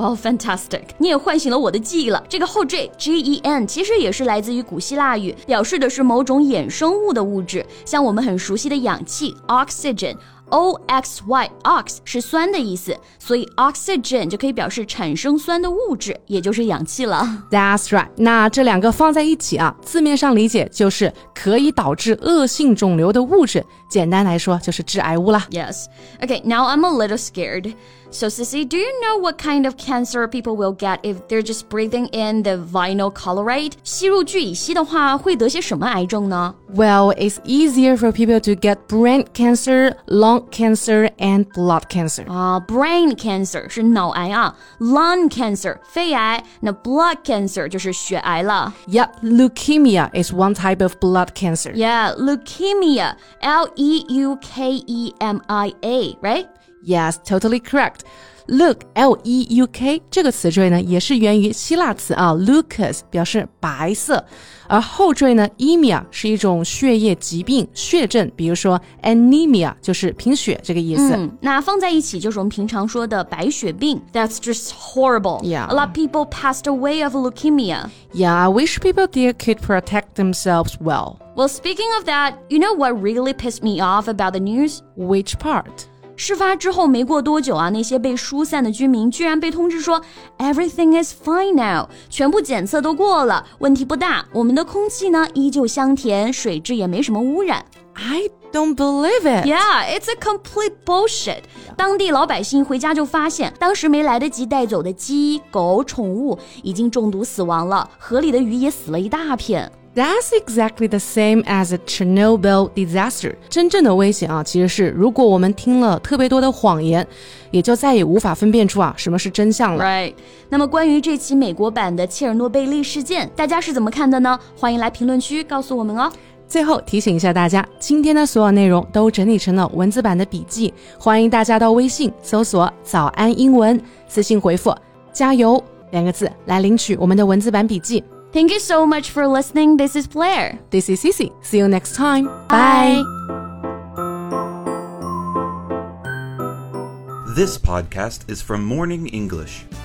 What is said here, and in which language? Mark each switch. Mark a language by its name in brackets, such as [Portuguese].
[English] Well, fantastic, [Chinese] 你也唤醒了我的记忆了。这个后缀 G-E-N 其实也是来自于古希腊语，表示的是某种衍生物的物质，像我们很熟悉的氧气 Oxygen O-X-Y Ox 是酸的意思，所以 Oxygen 就可以表示产生酸的物质，也就是氧气了。 [English] That's right, [Chinese] 那这两个放在一起啊，字面上理解就是可以导致恶性肿瘤的物质，简单来说就是致癌物了。 [English] Yes, okay, now I'm a little scaredSo, Sissy, do you know what kind of cancer people will get if they're just breathing in the vinyl chloride? [Chinese] 吸入聚乙烯的话会得些什么癌症呢? [English] Well, it's easier for people to get brain cancer, lung cancer, and blood cancer. [Chinese] Brain cancer 是脑癌啊。 Lung cancer, 肺癌。那 blood cancer 就是血癌了。 [English] Yep, leukemia is one type of blood cancer. Yeah, leukemia, L-E-U-K-E-M-I-A, right? Yes, totally correct. [Chinese] Leuk, L-E-U-K, 这个词缀呢也是源于希腊词啊 Leucus 表示白色，而后缀呢 Emia 是一种血液疾病血症，比如说 Anemia 就是贫血这个意思。那放在一起就是我们平常说的白血病。 [English] That's just horrible. Yeah, a lot of people passed away of leukemia. Yeah, I wish people there could protect themselves well. Well, speaking of that, you know what really pissed me off about the news? Which part? [Chinese] 事发之后没过多久啊，那些被疏散的居民居然被通知说 [English] Everything is fine now, [Chinese] 全部检测都过了，问题不大，我们的空气呢依旧香甜，水质也没什么污染。 [English] I don't believe it. Yeah, it's a complete bullshit. Yeah. [Chinese] 当地老百姓回家就发现，当时没来得及带走的鸡、狗、宠物已经中毒死亡了，河里的鱼也死了一大片。 [English] That's exactly the same as a Chernobyl disaster. [Chinese] 真正的危险啊，其实是如果我们听了特别多的谎言，也就再也无法分辨出啊什么是真相了。 [English] Right. [Chinese] 那么关于这期美国版的切尔诺贝利事件，大家是怎么看的呢？欢迎来评论区告诉我们哦。最后提醒一下大家，今天的所有内容都整理成了文字版的笔记，欢迎大家到微信搜索早安英文，私信回复加油两个字来领取我们的文字版笔记。 [English] Thank you so much for listening. This is Blair. This is Sissy. See you next time. Bye. This podcast is from Morning English.